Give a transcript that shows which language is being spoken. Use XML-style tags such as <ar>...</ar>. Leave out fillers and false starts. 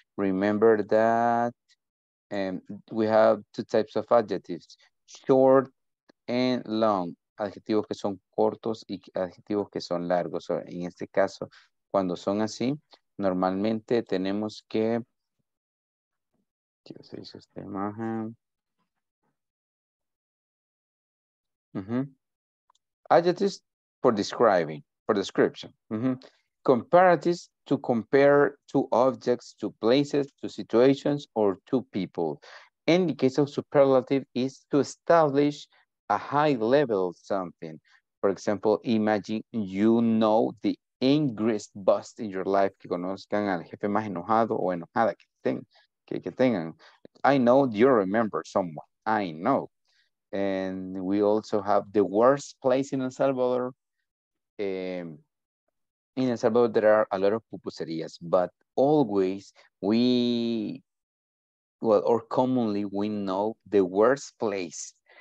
<en>Remember that we have two types of adjectives, short and long.</en> <es>Adjetivos que son cortos y adjetivos que son largos. So, en este caso, cuando son así, normalmente tenemos que... ¿Qué se hizo esta imagen?</es> <en>Mm-hmm. Adjectives for describing, for description. Mm-hmm. Comparatives to compare two objects, two places, two situations, or two people. In the case of superlative, is to establish a high level of something. For example, imagine you know the angriest boss in your life.</en> <es>Que conozcan al jefe más enojado o enojada que tengan.</es> <en>I know you remember someone. I know. And we also have the worst place in El Salvador. In El Salvador, there are a lot of pupuserias, but always we, well, or commonly we know the worst place.</en>